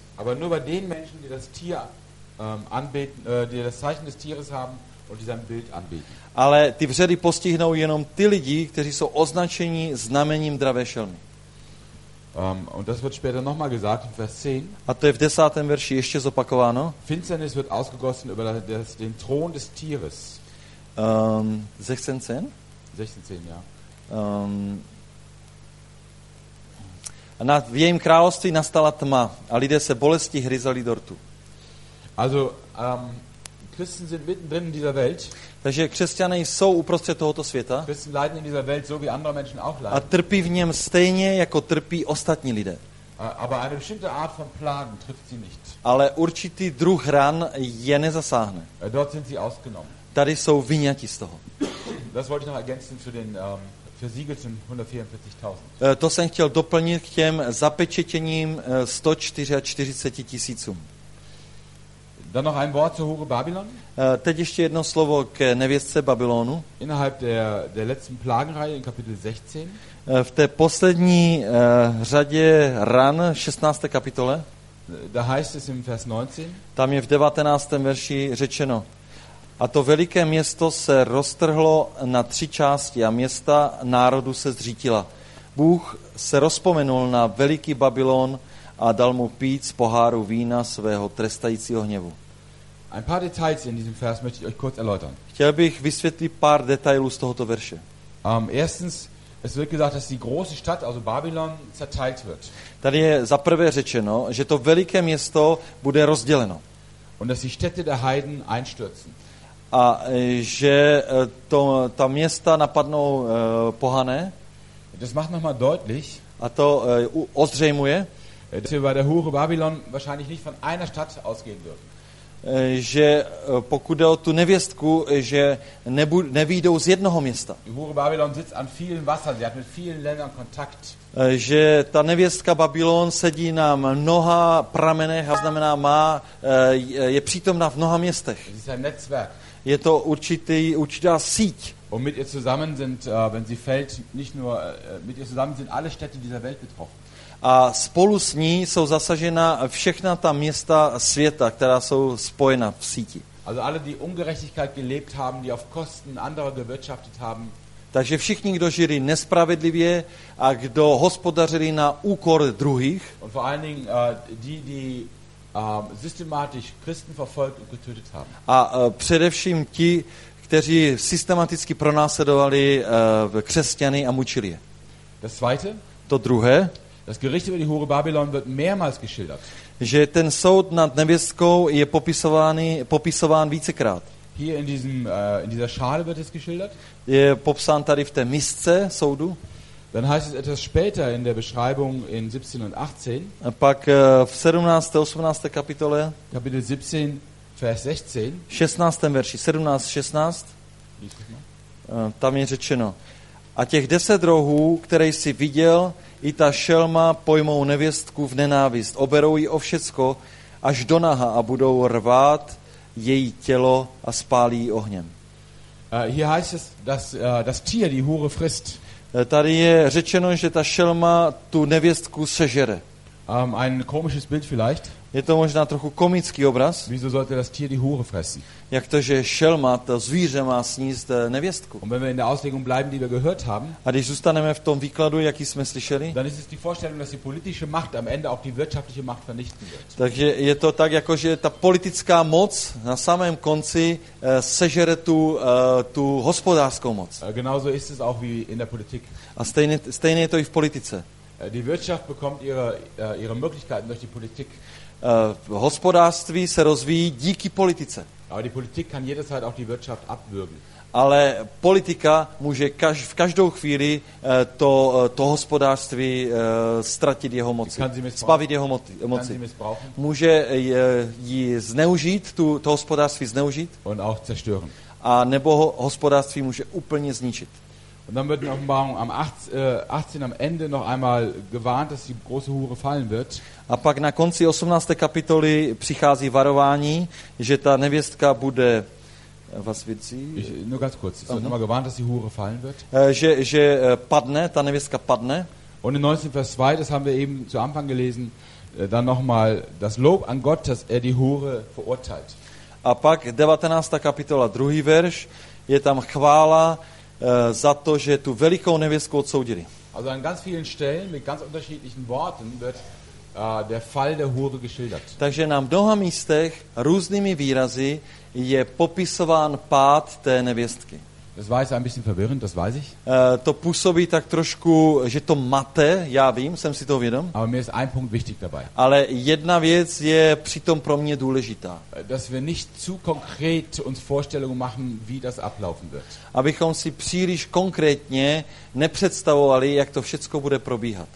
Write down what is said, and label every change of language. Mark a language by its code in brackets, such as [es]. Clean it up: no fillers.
[de] Aber nur bei den Menschen, die das Tier anbeten, die das Zeichen des Tieres haben und die sein Bild anbeten. [cs] Ale ty vředy postihnou jenom ty lidi, kteří jsou označeni znamením dravé šelmy. [de] Und das wird später noch mal gesagt in Vers 10. [cs] A to je v 10. verši ještě zopakováno. [de] Finsternis wird ausgegossen über den Thron des Tieres. 16:10. 16:10, ja. [cs] A na v jejím království nastala tma a lidé se bolesti hryzali do rtu. [de] Also Christen sind mittendrin in dieser Welt. [cs] Takže křesťané jsou uprostřed tohoto světa. [de] Christen leiden in dieser Welt so wie andere Menschen auch leiden. [cs] A trpí v něm stejně jako trpí ostatní lidé. [de] Aber eine bestimmte Art von Plagen trifft sie nicht. [cs] Ale určitý druh ran je nezasáhne. [de] Dort sind sie ausgenommen. [cs] Tady jsou vyňati z toho. [de] Das wollte ich noch ergänzen zu den versiegelten 144.000. [cs] To jsem chtěl doplnit k těm zapečetěním 144 tisícům. [de] Dann noch ein Wort zur Hure Babylon. [cs] Teď ještě jedno slovo k nevěstce Babylonu. [de] Innerhalb der letzten Plagenreihe in Kapitel 16. [cs] V té poslední řadě ran 16. kapitole. [de] Da heißt es im Vers 19. [cs] Tam je v 19. verši řečeno. A to veliké město se roztrhlo na tři části a města národu se zřítila. Bůh se rozpomenul na veliký Babylon a dal mu pít z poháru vína svého trestajícího hněvu. [de] Ein paar Details in diesem Vers möchte ich euch kurz erläutern. [cs] Chtěl bych vysvětlit pár detailů z tohoto verše. [de] Erstens, es wird gesagt, dass die große Stadt, also Babylon, zerteilt wird. [cs] Tady je za prvé řečeno, že to veliké město bude rozděleno. [de] Und dass die Städte der Heiden einstürzen. [cs] A že to, ta města napadnou pohané. [de] Das macht nochmal deutlich. [cs] A to ozřejmuje. [de] Dass wir bei der Hure Babylon wahrscheinlich nicht von einer Stadt ausgehen dürfen. [cs] Že pokud jde o tu nevěstku, že nevyjdou z jednoho města. [de] Die Hure Babylon sitzt an vielen Wassern, sie hat mit vielen Ländern Kontakt. [cs] Že ta nevěstka Babylon sedí na mnoha pramenech, a znamená má, je přítomna v mnoha městech. [de] Es ist ein Netzwerk. [cs] Je to určitá síť. [de] Und mit ihr zusammen sind, wenn sie fällt, nicht nur, mit ihr zusammen sind alle Städte dieser Welt betroffen. [cs] A spolu s ní jsou zasažena všechna ta města světa, která jsou spojena v síti. [de] Also alle, die Ungerechtigkeit gelebt haben, die auf Kosten anderer gewirtschaftet haben. [cs] Takže všichni, kdo žili nespravedlivě a kdo hospodařili na úkor druhých. [de] Und vor allen Dingen die systematisch Christen verfolgt und getötet haben. [cs] A především ti, kteří systematicky pronásledovali křesťany a mučili je. [de] Das zweite. [cs] To druhé. [de] Das Gericht über die Hure Babylon wird mehrmals geschildert. [cs] Že ten soud nad nevěstkou je popisován vícekrát. [de] Hier in diesem in dieser Schale wird es geschildert. [cs] Je popsán tady v té misce soudu. [de] Dann heißt es etwas später in der Beschreibung in 17 und 18. [cs] A pak v 17. 18. kapitole. [de] Kapitel 17, Vers 16. [cs] 16. verši 17, 16. Tam je řečeno. A těch 10 rohů, které jsi viděl, i ta šelma pojmou nevěstku v nenávist. Oberou ji o všecko až do naha a budou rvát její tělo a spálí ji ohněm. [de] Hier heißt es, dass das Tier die Hure frisst. [cs] Tady je řečeno, že ta šelma tu nevěstku sežere. [de] Ein komisches Bild vielleicht. [cs] Je to možná trochu komický obraz. [de] Wieso sollte das Tier die Hure fressen? [cs] Jak to, že šelma, to zvíře, má sníst nevěstku? [de] Und wenn wir in der Auslegung bleiben, die wir gehört haben, [cs] a když zůstaneme v tom výkladu, jaký jsme slyšeli, [de] dann ist es die Vorstellung, dass die politische Macht am Ende auch die wirtschaftliche Macht vernichten wird. [cs] Takže je to tak, jako že ta politická moc na samém konci sežere tu hospodářskou moc. [de] Genauso ist es auch wie in der Politik. [cs] A stejně je to i v politice. [de] Die Wirtschaft bekommt ihre Möglichkeiten durch die Politik. [cs] Hospodářství se rozvíjí díky politice. [de] Aber die Politik kann jederzeit auch die Wirtschaft abwürgen. [cs] Ale politika může v každou chvíli to hospodářství ztratit jeho moci. Zbavit jeho moci. Může ji zneužít, to hospodářství zneužít. [de] Und auch zerstören. [cs] A nebo hospodářství může úplně zničit. [de] Und dann wird in Offenbarung am 18 am Ende noch einmal gewarnt, dass die große Hure fallen wird. [cs] A pak na konci 18. kapitoly přichází varování, že ta nevěstka bude, [de] was wird sie? Nur ganz kurz, es wird nochmal gewarnt, dass die Hure fallen wird. [cs] Že padne, ta nevěstka padne. [de] Und in 19, Vers 2, das haben wir eben zu Anfang gelesen, dann nochmal das Lob an Gott, dass er die Hure verurteilt. [cs] A pak 19. kapitola, 2. verš, je tam chvála za to, že tu velikou nevěstku odsoudili. [de] Also an ganz vielen Stellen mit ganz unterschiedlichen Worten wird der Fall der Hure geschildert. [cs] Takže na mnoha místech různými výrazy je popisován pád té nevěstky. [de] Das war jetzt ein bisschen verwirrend, das weiß ich. [cs] To působí tak trošku, že to mate, já vím, jsem si toho vědom. [de] Aber mir ist ein Punkt wichtig dabei. [cs] Ale jedna věc je přitom pro mě důležitá. [de] Dass wir nicht zu konkret uns Vorstellungen machen, wie das ablaufen wird. [cs] Abychom si příliš konkrétně nepředstavovali, jak to všecko bude probíhat.